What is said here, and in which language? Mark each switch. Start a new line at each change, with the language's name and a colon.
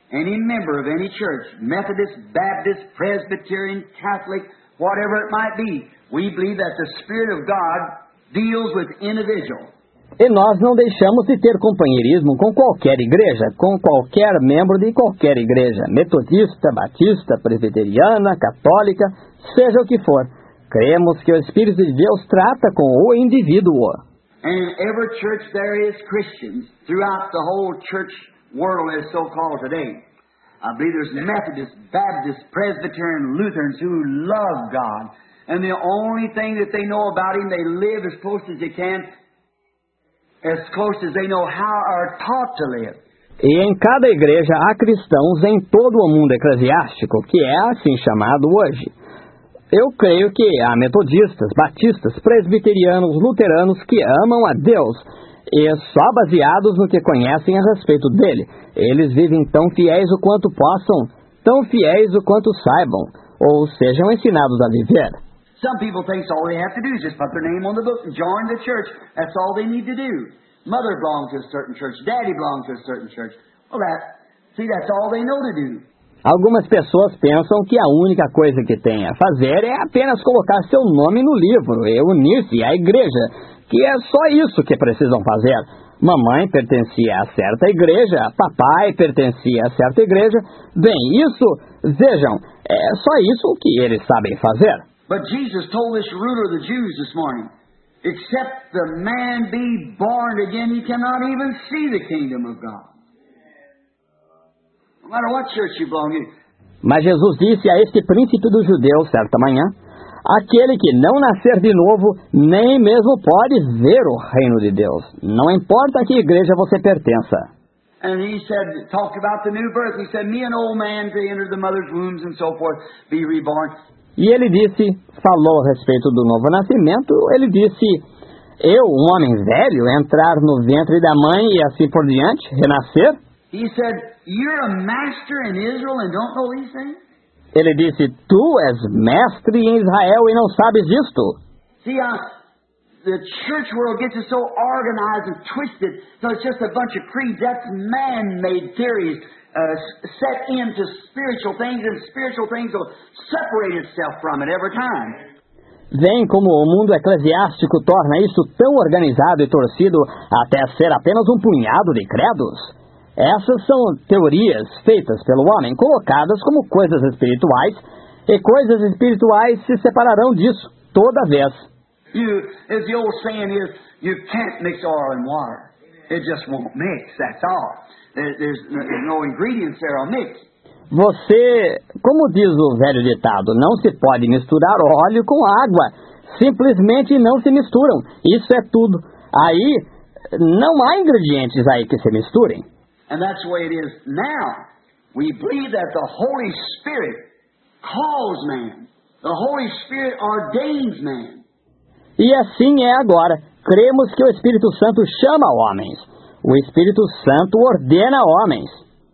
English: Any member of any church, Methodist, Baptist, Presbyterian, Catholic, whatever it might be, we believe that the Spirit of God deals with individual.
Portuguese: E nós não deixamos de ter companheirismo com qualquer igreja, com qualquer membro de qualquer igreja, metodista, batista, presbiteriana, católica, seja o que for. Cremos que o Espírito de Deus trata com o indivíduo.
English: And in every church there is Christians throughout the whole church world is so called today. I believe there's Methodist, Baptist, Presbyterian, Lutherans who love God, and the only thing that they know about Him, they live as close as they can, as close as they know how are taught to live.
Portuguese: E em cada igreja há cristãos em todo o mundo eclesiástico, que é assim chamado hoje. Eu creio que há metodistas, batistas, presbiterianos, luteranos que amam a Deus. E só baseados no que conhecem a respeito dele. Eles vivem tão fiéis o quanto possam tão fiéis o quanto saibam, ou sejam ensinados a viver.
English: Some people think all they have to do is just put their name on the book and join the church. That's all they need to do. Mother belongs to a certain church, daddy belongs to a certain church. Well, that's all they know to do.
Portuguese: Algumas pessoas pensam que a única coisa que tem a fazer é apenas colocar seu nome no livro e unir-se à igreja, que é só isso que precisam fazer. Mamãe pertencia a certa igreja, papai pertencia a certa igreja. Bem, isso, vejam, é só isso que eles sabem fazer.
English: But Jesus told this ruler of the Jews this morning, except the man be born again, he cannot even see the kingdom of God. No matter what church you belong to.
Portuguese: Mas Jesus disse a este príncipe dos judeus certa manhã, aquele que não nascer de novo, nem mesmo pode ver o reino de Deus. Não importa a que igreja você pertença.
English: And he said, talked about the new birth. He said, me an old man to enter the mother's wombs and so forth, be reborn.
Portuguese: E ele disse, falou a respeito do novo nascimento, ele disse, eu, um homem velho, entrar no ventre da mãe e assim por diante, renascer?
English: He said, you're a master in Israel and don't know these things?
Portuguese: Ele disse, tu és mestre em Israel e não sabes isto?
English: See, the church world gets it so organized and twisted, so it's just a bunch of creeds, that's man-made theories. Set into spiritual things, and spiritual things will separate itself from it every time.
Portuguese: Vem como o mundo eclesiástico torna isso tão organizado e torcido até ser apenas um punhado de credos. Essas são teorias feitas pelo homem, colocadas como coisas espirituais, e coisas espirituais se separarão disso toda vez.
English: As the old saying is, you can't mix oil and water. It just won't mix, that's all. There's no ingredients there on mix.
Portuguese: Você, como diz o velho ditado, não se pode misturar óleo com água. Simplesmente não se misturam. Isso é tudo. Aí, não há ingredientes aí que se misturem.
English: And that's the way it is now. We believe that the Holy Spirit calls man. The Holy Spirit ordains man.
Portuguese: E assim é agora. Cremos que o Espírito Santo chama homens. O Espírito Santo ordena homens.